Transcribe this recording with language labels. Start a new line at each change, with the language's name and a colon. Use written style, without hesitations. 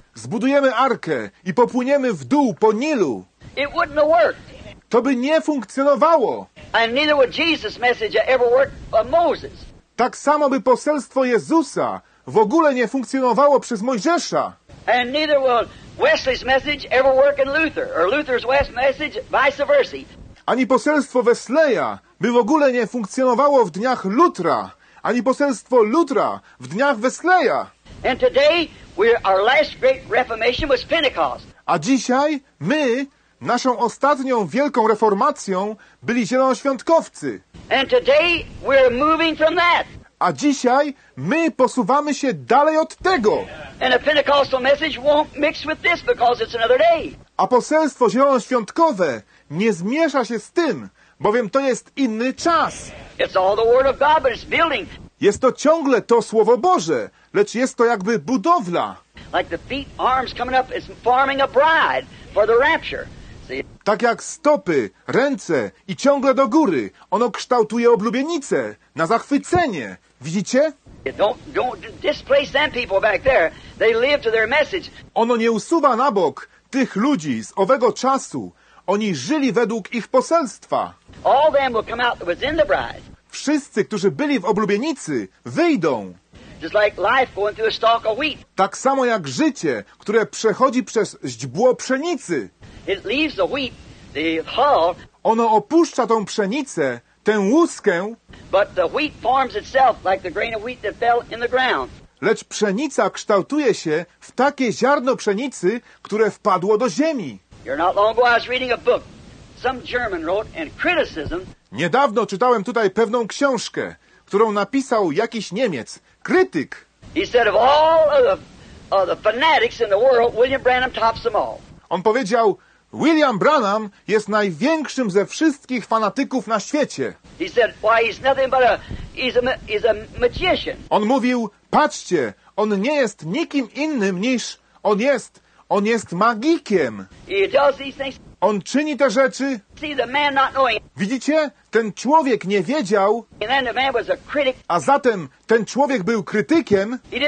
Polish: Zbudujemy arkę i popłyniemy w dół po Nilu.
English: It wouldn't have worked.
Polish: To by nie funkcjonowało.
English: And neither would Jesus' message ever work for Moses.
Polish: Tak samo by poselstwo Jezusa w ogóle nie funkcjonowało przez Mojżesza.
English: And neither would Wesley's message ever work in Luther, or Luther's West message, vice versa.
Polish: Ani poselstwo Wesleya by w ogóle nie funkcjonowało w dniach Lutra, ani poselstwo Lutra w dniach Wesleya.
English: And today, our last great reformation was Pentecost.
Polish: A dzisiaj my, naszą ostatnią wielką reformacją, byli zielonoświątkowcy.
English: And today, we're moving from that.
Polish: A dzisiaj my posuwamy się dalej od tego.
English: And a Pentecostal message won't mix with this because it's another day.
Polish: A poselstwo zielonoświątkowe nie zmiesza się z tym, bowiem to jest inny czas.
English: It's all the word of God, but it's building.
Polish: Jest to ciągle to Słowo Boże, lecz jest to jakby budowla.
English: Like the feet, arms coming up, it's forming a bride for the rapture. See?
Polish: Tak jak stopy, ręce i ciągle do góry, ono kształtuje oblubienicę na zachwycenie. Widzicie?
English: Don't displace them people back there. They live to their message.
Polish: Ono nie usuwa na bok tych ludzi z owego czasu. Oni żyli według ich poselstwa.
English: All them will come out within the bride.
Polish: Wszyscy, którzy byli w oblubienicy, wyjdą.
English: Just like life going through a stalk of wheat.
Polish: Tak samo jak życie, które przechodzi przez źdźbło pszenicy.
English: It leaves the wheat, the hull.
Polish: Ono opuszcza tą pszenicę, tę łuskę.
English: But the wheat forms itself like the grain of wheat that fell in the ground.
Polish: Lecz pszenica kształtuje się w takie ziarno pszenicy, które wpadło do ziemi.
English: You're not long ago I was reading a book. Some German wrote and criticism.
Polish: Niedawno czytałem tutaj pewną książkę, którą napisał jakiś Niemiec, krytyk.
English: He said of all of the fanatics in the world, William Branham tops them all.
Polish: On powiedział, William Branham jest największym ze wszystkich fanatyków na świecie.
English: He said, why, he's nothing but he's a magician.
Polish: On mówił, patrzcie, on nie jest nikim innym niż on jest magikiem.
English: He does these things.
Polish: On czyni te rzeczy. Widzicie? Ten człowiek nie wiedział. A zatem ten człowiek był krytykiem.